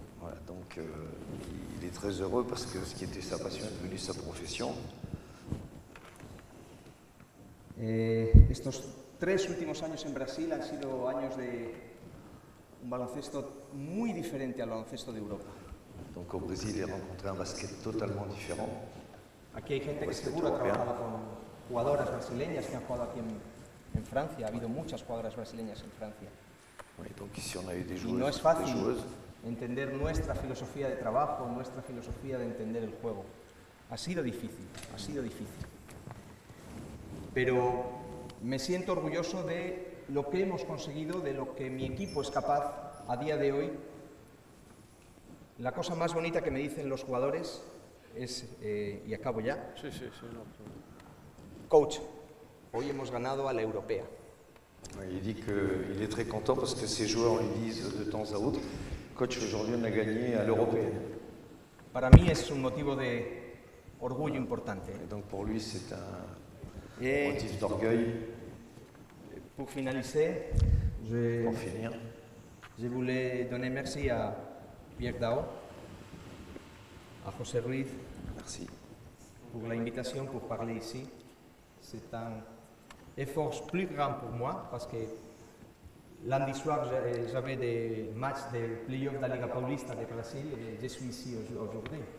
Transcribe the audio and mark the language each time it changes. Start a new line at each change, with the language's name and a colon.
French: Voilà, donc il est très heureux parce que ce qui était sa passion est devenu sa profession.
Spanish: Estos tres últimos años en Brasil han sido años de un baloncesto muy diferente al baloncesto de Europa.
French: Donc au Brésil, j'ai rencontré un basket totalement différent.
Spanish: Aquí hay gente que seguro ha trabajado con jugadoras brasileñas que han jugado aquí en Francia. Ha habido muchas jugadoras brasileñas en Francia.
French: Oui, donc ici on a eu des joueuses.
Spanish: Y no es fácil entender nuestra filosofía de trabajo, nuestra filosofía de entender el juego. Ha sido difícil, ha sido difícil. Pero me siento orgulloso de lo que hemos conseguido, de lo que mi equipo es capaz a día de hoy. La cosa más bonita que me dicen los jugadores es, y acabo ya, coach, hoy hemos ganado a la europea.
French: Il dit que il est très content parce que ses joueurs lui disent de temps à autre, coach, aujourd'hui on a gagné à l'européenne.
Spanish: Para mí es un motivo de orgullo importante.
French: Et donc pour lui c'est un motif d'orgueil. Pour finaliser, je voulais donner merci à Pierre Dao, à José Ruiz, merci pour l'invitation pour parler ici. C'est un effort plus grand pour moi parce que lundi soir j'avais des matchs de play-off de la Liga Paulista de Brasil et je suis ici aujourd'hui.